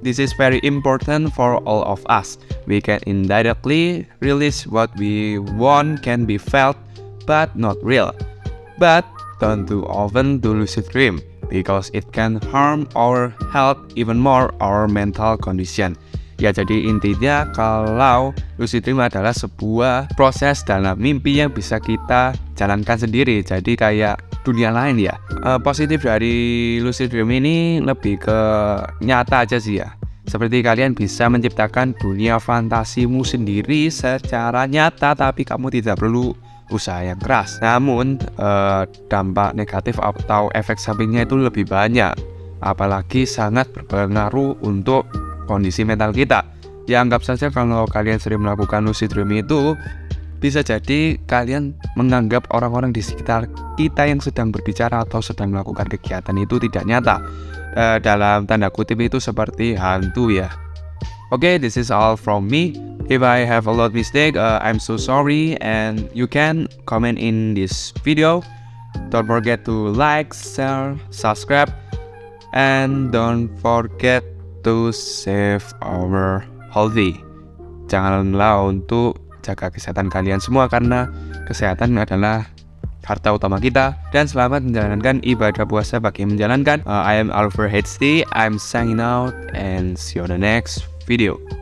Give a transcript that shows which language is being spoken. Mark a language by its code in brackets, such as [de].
[en] This is very important for all of us. We can indirectly release what we want can be felt, but not real. But don't too often do lucid dream, because it can harm our health even more our mental condition. [id] Ya, jadi intinya kalau lucid dream adalah sebuah proses dalam mimpi yang bisa kita jalankan sendiri, jadi kayak dunia lain ya. Positif dari lucid dream ini lebih ke nyata aja sih ya. Seperti kalian bisa menciptakan dunia fantasimu sendiri secara nyata, tapi kamu tidak perlu usaha yang keras. Namun dampak negatif atau efek sampingnya itu lebih banyak, apalagi sangat berpengaruh untuk kondisi mental kita. Ya, anggap saja kalau kalian sering melakukan lucid dream itu, bisa jadi kalian menganggap orang-orang di sekitar kita yang sedang berbicara atau sedang melakukan kegiatan itu tidak nyata. Dalam tanda kutip itu seperti hantu ya. [en] Okay, this is all from me. If I have a lot mistake, I'm so sorry. And you can comment in this video. Don't forget to like, share, subscribe, and don't forget to save our healthy. [id] Janganlah untuk jaga kesehatan kalian semua, karena kesehatan adalah harta utama kita. Dan selamat menjalankan ibadah puasa bagi menjalankan. [en] I am Alfer HD. I'm signing out and see you on the next video.